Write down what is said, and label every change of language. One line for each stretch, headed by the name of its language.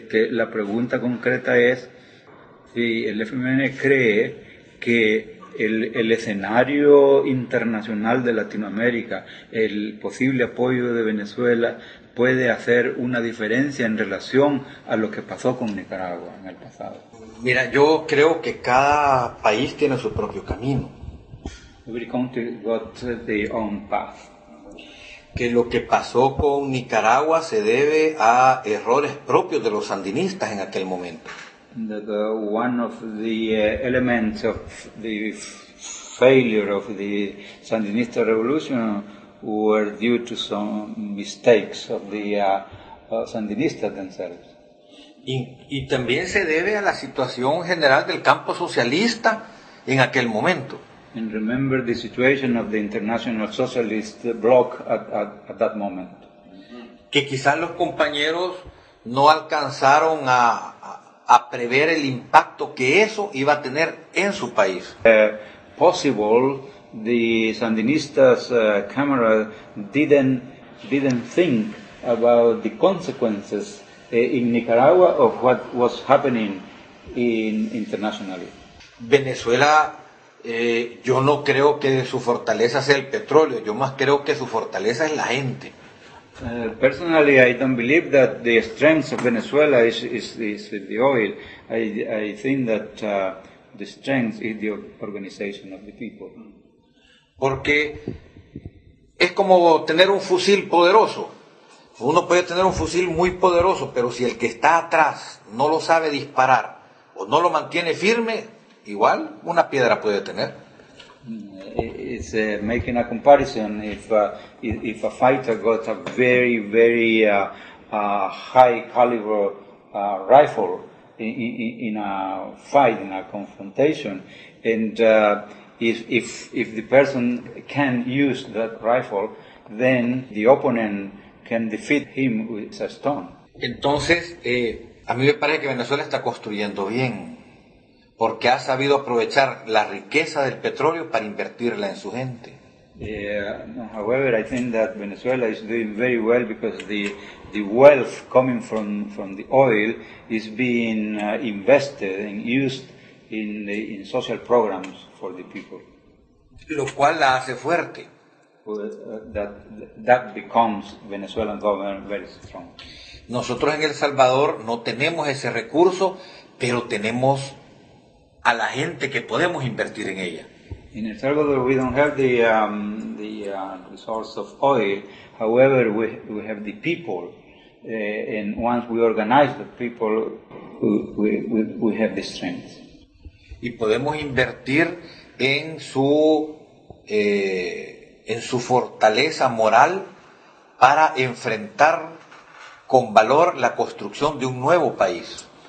Spanish: La pregunta concreta es si el FMLN cree que el escenario internacional de Latinoamérica, el posible apoyo de Venezuela, puede hacer una diferencia en relación a lo que pasó con Nicaragua en el pasado. Mira, yo creo que cada país tiene su propio camino.
English: Every country got their own path.
Spanish: Que lo que pasó con Nicaragua se debe a errores propios de los sandinistas en aquel momento.
English: That one of the elements of the failure of the Sandinista revolution were due to some mistakes of the Sandinistas themselves.
Spanish: Y también se debe a la situación general del campo socialista en aquel momento.
English: And remember the situation of the international socialist bloc at that moment.
Spanish: Que quizás los compañeros no alcanzaron a prever el impacto que eso iba a tener en su país.
English: Possible the Sandinistas camera didn't think about the consequences in Nicaragua of what was happening internationally.
Spanish: Venezuela, yo no creo que su fortaleza sea el petróleo, yo más creo que su fortaleza es la gente.
English: Personally, I don't believe that the strength of Venezuela is the oil. I think that the strength is the organization of the people.
Spanish: Porque es como tener un fusil poderoso. Uno puede tener un fusil muy poderoso, pero si el que está atrás no lo sabe disparar o no lo mantiene firme, igual una piedra puede tener.
English: It's making a comparison. If a fighter got a very, very high caliber rifle in a fight, in a confrontation, and if the person can use that rifle, then the opponent can defeat him with a stone.
Spanish: Entonces, a mí me parece que Venezuela está construyendo bien, porque ha sabido aprovechar la riqueza del petróleo para invertirla en su gente.
English: Yeah, however, I think that Venezuela is doing very well because the wealth coming from the oil is being invested and used in social programs for the people.
Spanish: Lo cual la hace fuerte.
English: That becomes Venezuelan government very strong.
Spanish: Nosotros en El Salvador no tenemos ese recurso, pero tenemos a la gente que podemos invertir en ella.
English: In El Salvador we don't have the resource of oil, however we have the people, and once we organize the people we have the strength.
Spanish: Y podemos invertir en su fortaleza moral para enfrentar con valor la construcción de un nuevo país.